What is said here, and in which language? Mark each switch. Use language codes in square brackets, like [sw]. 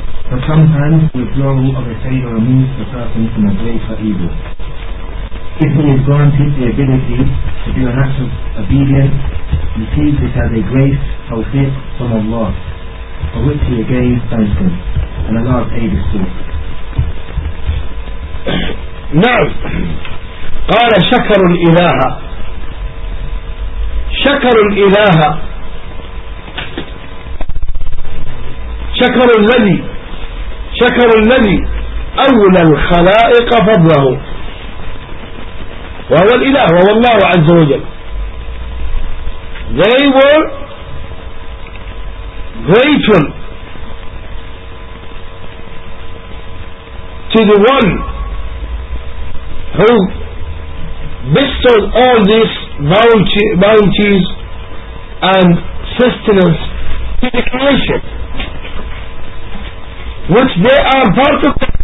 [en] But sometimes the withdrawal of a favor removes the person from a greater evil. If he is granted the ability to do an act of obedience, he sees it as a grace tawfiq from Allah, for which he again thanks him, and Allah paid his due. [ar] Now, قال شكر الإله. شكر الإله شكر الذي شكر الذي أولى الخلائق فضله وهو الإله وهو الله عز وجل. [en] They were grateful to the one who bestowed all these bounties and sustenance to the creation, which they are part of.